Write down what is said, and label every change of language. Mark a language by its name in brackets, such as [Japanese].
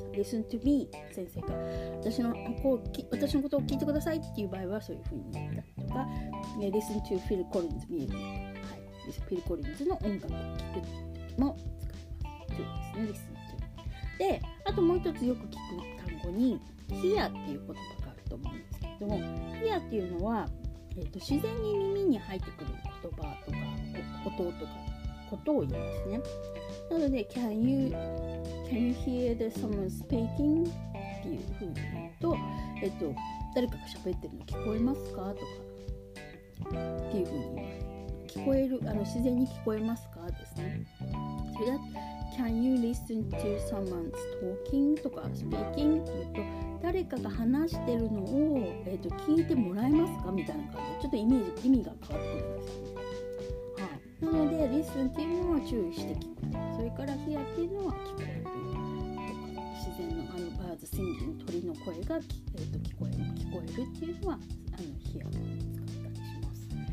[English] リスントゥーミー、 [Japanese] 先生が私のことを聞いてくださいっていう場合はそういう風に言ったりとか、 [English] リスントゥーフィル・コリンズミュージック、 [Japanese] フィル・コリンズの音楽を聴くも使います。っていうですね、リスンっていう。で、あともう一つよく聞く単語に、ヒアっていう言葉があると思うんですけど、ヒアっていうのは、自然に耳に入ってくる言葉とか、音とか、ことを言いますね。なので、 [English] can you hear the someone speaking? [Japanese] っていうふうに言うと、誰かが喋ってるの聞こえますかとか、っていうふうに言います。聞こえる、自然に聞こえますかですね。それだと、 [English] can you listen to someone's talking? [Japanese] とか、speaking? って言うと、誰かが話してるのを、聞いてもらえますかみたいな感じで、ちょっとイメージ、意味が変わってくるんですよね。はい。なので、リスンっていうのは注意して聞く。それから、ヒアっていうのは聞こえる。自然の、 [English] バーズ、シンギング、 [Japanese] 鳥の声が、聞こえるっていうのは、ヒアを使ったりします。